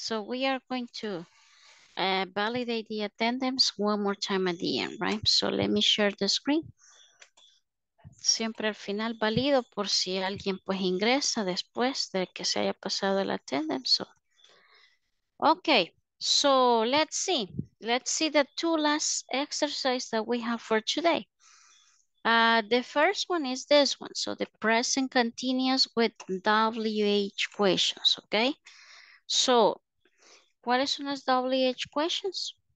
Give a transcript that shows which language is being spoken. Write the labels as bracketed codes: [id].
[en] So we are going to validate the attendance one more time at the end, right? So let me share the screen. [es] Siempre al final valido por si alguien pues ingresa después de que se haya pasado el attendance. [en] So, okay, so let's see. Let's see the two last exercises that we have for today. The first one is this one. So the present continuous with WH questions, okay? [es] So, ¿cuáles son las WH questions?